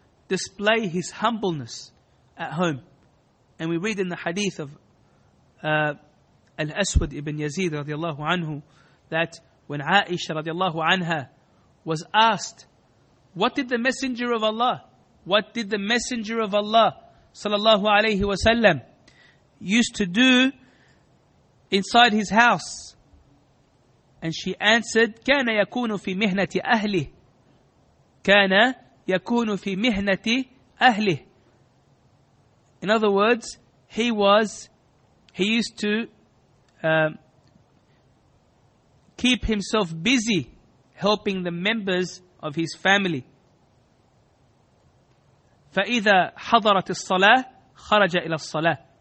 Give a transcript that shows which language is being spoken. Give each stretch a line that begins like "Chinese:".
English: display his humbleness at home. And we read in the hadith of Al-Aswad ibn Yazid radiallahu anhu, that when Aisha radiallahu anha was asked, what did the Messenger of Allah, what did the Messenger of Allah sallallahu alayhi wa sallam used to do inside his house? And she answered,
Arabic: كَانَ يَكُونُ فِي مِهْنَةِ أَهْلِهِ كَانَ يَكُونُ فِي مِهْنَةِ أَهْلِهِ.
English: In other words, he used to keep himself busy helping the members of his family.
Arabic: فَإِذَا حَضَرَتِ الصَّلَاةِ خَرَجَ إِلَى الصَّلَاةِ.